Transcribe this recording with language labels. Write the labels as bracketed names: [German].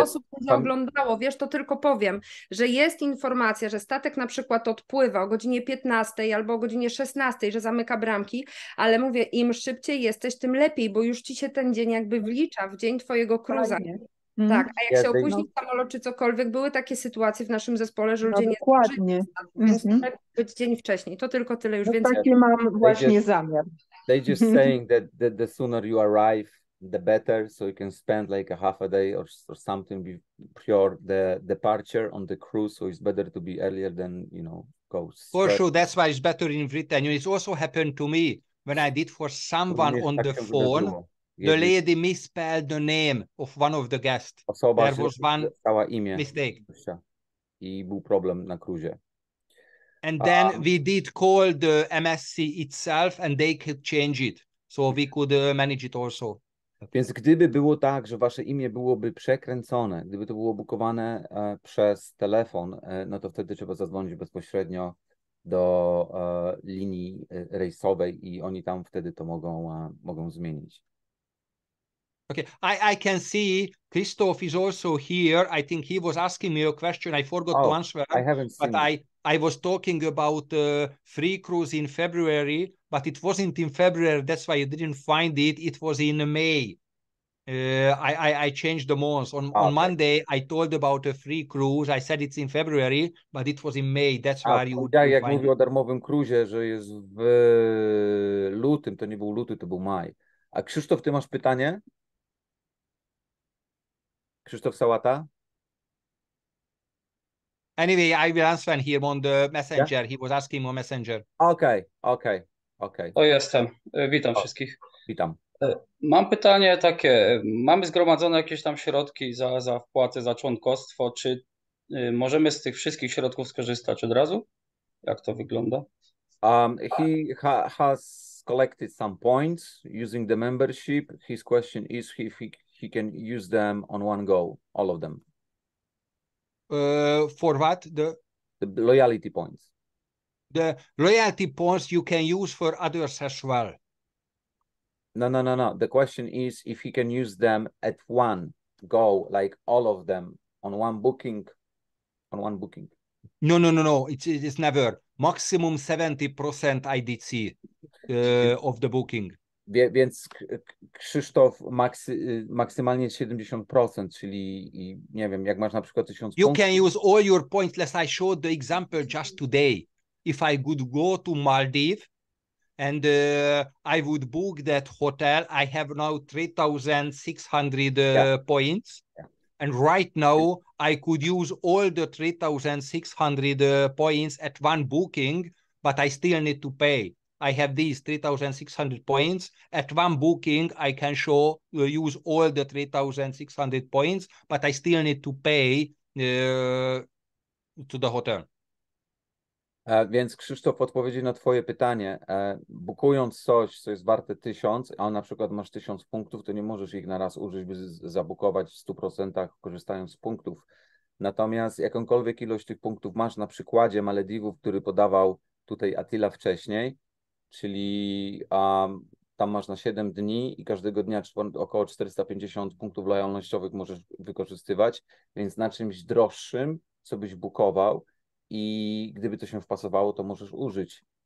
[Polish] Osób, które oglądało, wiesz, to tylko powiem, że jest informacja, że statek na przykład odpływa o godzinie 15 albo o godzinie 16, że zamyka bramki, ale mówię, im szybciej jesteś, tym lepiej, bo już ci się ten dzień jakby wlicza w dzień twojego cruza. Tak, a jak się opóźni samolot czy cokolwiek, były takie sytuacje w naszym zespole, że ludzie nie zdążyli, więc trzeba być dzień wcześniej, to tylko tyle już. Więc taki mam właśnie zamiar. [English] They just saying that the sooner you arrive, the better, so you can spend like a half a day or something before the departure on the cruise, so it's better to be earlier than, you know, go. For sure, that's why it's better in Britain. It's also happened to me when I did for someone on the phone. The lady misspelled the name of one of the guests. [Polish] Osoba, [English] there was one [Polish] imię, [English] mistake. [Polish] I był problem na cruise. [English] And then we did call the MSC itself and they could change it. So we could manage it also. [Polish] Więc gdyby było tak, że wasze imię byłoby przekręcone, gdyby to było bukowane przez telefon, no to wtedy trzeba zadzwonić bezpośrednio do linii rejsowej i oni tam wtedy to mogą zmienić. [English] Okay, I can see Christoph is also here. I think he was asking me a question. I forgot to answer. I haven't seen but it. I was talking about free cruise in February, but it wasn't in February. That's why you didn't find it. It was in May. I changed the month. On Monday, I told about a free cruise. I said it's in February, but it was in May. That's why you didn't find it. [Polish] Jak mówił o darmowym cruise, że jest w lutym, to nie był luty, to był maj. A Krzysztof, ty masz pytanie? Krzysztof Sałata? [English] Anyway, I will answer him on the messenger. Yeah? He was asking on messenger. Okay. [Polish] To jestem. Witam wszystkich. Witam. Mam pytanie takie. Mamy zgromadzone jakieś tam środki za wpłatę, za członkostwo. Czy możemy z tych wszystkich środków skorzystać od razu? Jak to wygląda? [English] He has collected some points using the membership. His question is if he can use them on one go, all of them. For what? The loyalty points. The loyalty points you can use for others as well. No. The question is if he can use them at one go, like all of them on one booking, No. It's never. Maximum 70% I did see of the booking. [Polish] Więc Krzysztof maksymalnie 70%, czyli nie wiem, jak masz na przykład 1000 [English] you [Polish] punktów. [English] You can use all your points, as I showed the example just today. If I would go to Maldives and I would book that hotel, I have now 3,600 points. Yeah. And right now I could use all the 3,600 points at one booking, but I still need to pay. I have these 3,600 points. At one booking, I can show use all the 3,600 points, but I still need to pay to the hotel. [Polish] Więc Krzysztof odpowiedzi na twoje pytanie. Bukując coś, co jest warte 1000, a na przykład masz 1000 punktów, to nie możesz ich na raz użyć, by zabukować w 100% korzystając z punktów. Natomiast jakąkolwiek ilość tych punktów masz, na przykładzie Malediwów, który podawał tutaj Attila wcześniej, czyli tam masz na 7 dni i każdego dnia około 450 punktów lojalnościowych możesz wykorzystywać, więc na czymś droższym, co byś bukował i gdyby to się wpasowało, to możesz użyć